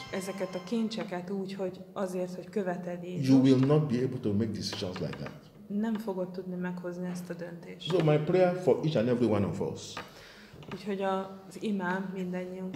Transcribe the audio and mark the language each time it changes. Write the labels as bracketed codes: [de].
[hu] Ezeket a kincseket úgy, hogy azért, hogy követed Jézus. [en] You will not be able to make decisions like that. [hu] Nem fogod tudni meghozni ezt a döntést. [en] So my prayer for each and every one of us. [hu] Úgyhogy az imám mindannyiunk.